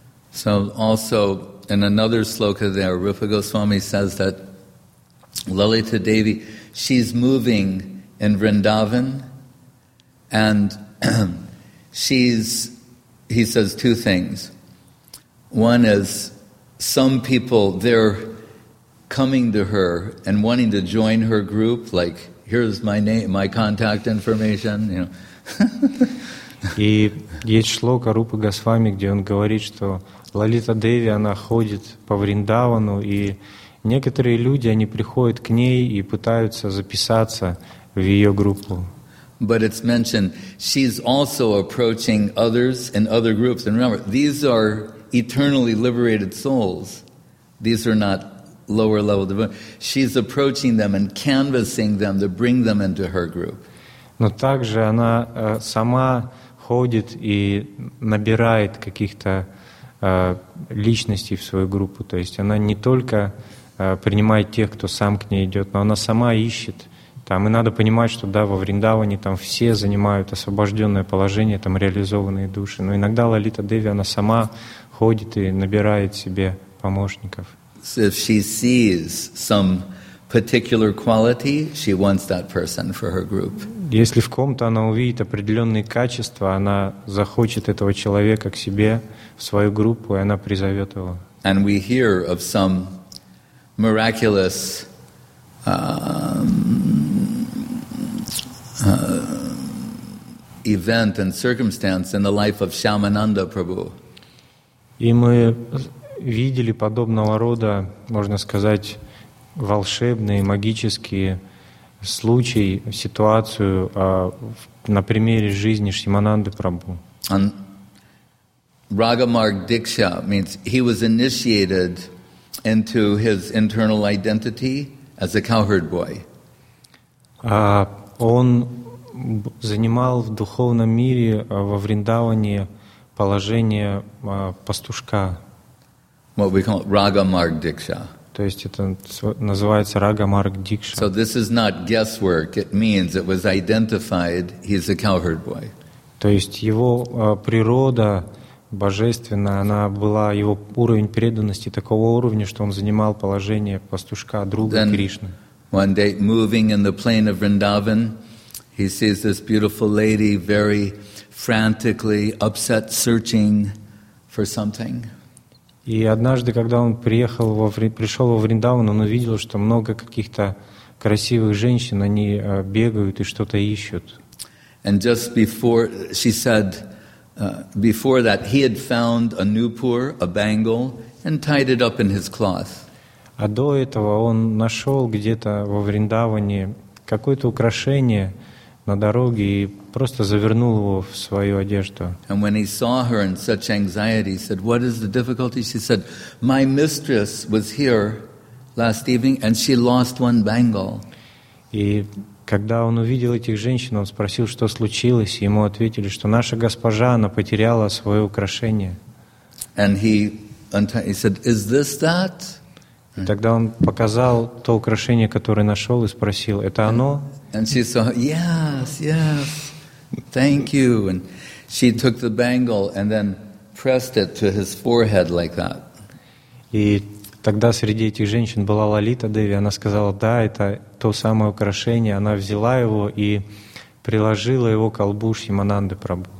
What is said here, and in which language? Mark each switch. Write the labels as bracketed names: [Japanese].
[English] So also in another sloka there, Rupa Goswami says that Lalita Devi, she's moving in Vrindavan, and he says two things. One is some people, they're coming to her and wanting to join her group, like, here's my name, my contact information, you know. [Russian] И есть шлока Рупы Госвами, где он говорит, что Лалита Деви, она ходит по Вриндавану, и некоторые люди, они приходят к ней и пытаются записаться в ее группу. [English] But it's mentioned she's also approaching others in other groups. And remember, these are eternally liberated souls. These are not lower level devotees. She's approaching them and canvassing them to bring them into her group. [Russian] Но также она сама ходит и набирает каких-то личностей в свою группу. То есть она не только принимает тех, кто сам к ней идет, но она сама ищет. Там, и надо понимать, что да, во Вриндаване там все занимают освобожденное положение, там реализованные души. Но иногда Лалита Деви, она сама ходит и набирает себе помощников. [English] So if she sees some particular quality, she wants that person for her group. [Russian] Если в ком-то она увидит определенные качества, она захочет этого человека к себе, в свою группу, и она призовет его. [English] And we hear of some miraculous event and circumstance in the life of Shyamananda Prabhu. [Russian] И мы видели подобного рода, можно сказать, волшебные, магические случаи, ситуацию на примере жизни Шимананды Прабху. [English] And Ragamarg Diksha means he was initiated into his internal identity as a cowherd boy. [Russian] Он занимал в духовном мире во Вриндаване положение пастушка. [English] What we call Ragamarg Diksha. [Russian] То есть это называется Рагамарг Дикша. [English] So this is not guesswork. It means it was identified. He's a cowherd boy. [Russian] То есть его природа божественная, она была, его уровень преданности такого уровня, что он занимал положение пастушка, друга Кришны. [English] One day, moving in the plain of Vrindavan, he sees this beautiful lady very frantically upset, searching for something. [Russian] И однажды, когда он приехал во пришел во Вриндаван, он увидел, что много каких-то красивых женщин, они бегают и что-то ищут. [English] And just before, she said, before that, he had found a nupur, a bangle, and tied it up in his cloth. [Russian] А до этого он нашел где-то во Вриндаване какое-то украшение на дороге и просто завернул его в свою одежду. [English] And when he saw her in such anxiety, he said, "What is the difficulty?" She said, "My mistress was here last evening, and she lost one bangle." [Russian] И когда он увидел этих женщин, он спросил, что случилось, и ему ответили, что наша госпожа, она потеряла свое украшение. [English] And he said, "Is this that?" [Russian] Тогда он показал то украшение, которое нашел, и спросил, это оно? [English] And she said, yes, yes, thank you. And she took the bangle and then pressed it to his forehead like that. [Russian] И тогда среди этих женщин была Лалита Деви, она сказала, да, это то самое украшение. Она взяла его и приложила его к лбу Шимананды Прабху.